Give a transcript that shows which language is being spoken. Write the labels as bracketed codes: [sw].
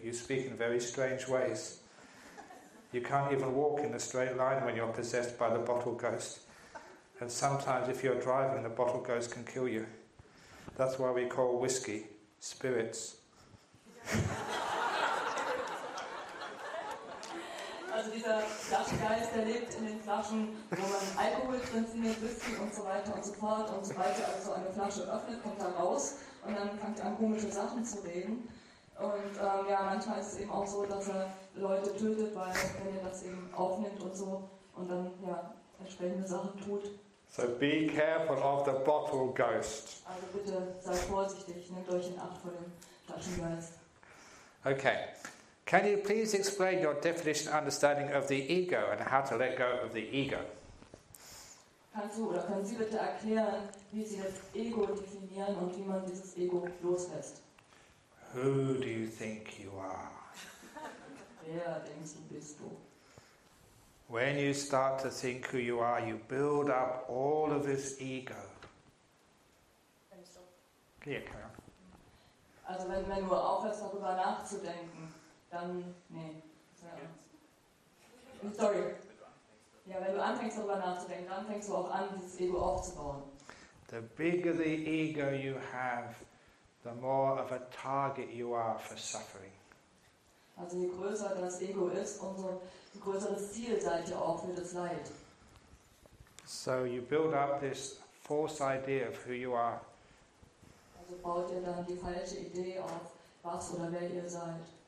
[en] You speak in very strange ways. You can't even walk in a straight line when you're possessed by the bottle ghost. And sometimes if you're driving, the bottle ghost can kill you. That's why we call whiskey spirits. [de] Also dieser Flaschengeist, der lebt in den Flaschen, wo man Alkohol drin findet, Whisky und so weiter und so fort. Und sobald ihr also eine Flasche öffnet, kommt er raus und dann fängt er an, komische Sachen zu reden. Und ja, manchmal ist es eben auch so, dass er Leute tötet, weil wenn er das eben aufnimmt und so und dann ja entsprechende Sachen tut. [en] So be careful of the bottle ghost. [de] Also bitte seid vorsichtig, nehmt euch in Acht vor dem Flaschengeist. [en] Okay. Can you please explain your definition understanding of the ego and how to let go of the ego? [de] Kannst du oder können Sie bitte erklären, wie Sie das Ego definieren und wie man dieses Ego loslässt? [en] Who do you think you are? [de] Wer denkst du bist du? [en] When you start to think who you are, you build up all of this ego. Can you carry on? [de] Also wenn du aufhörst, darüber nachzudenken, dann, nee. Sorry. Ja, wenn du anfängst, darüber nachzudenken, dann fängst du auch an, dieses Ego aufzubauen. [en] The bigger the ego you have, the more of a target you are for suffering. [de] Also je größer das Ego ist, umso größeres Ziel seid ihr auch für das Leid. [en] So you build up this false idea of who you are. [de] Also baut ihr dann die falsche Idee auf, was oder wer ihr seid.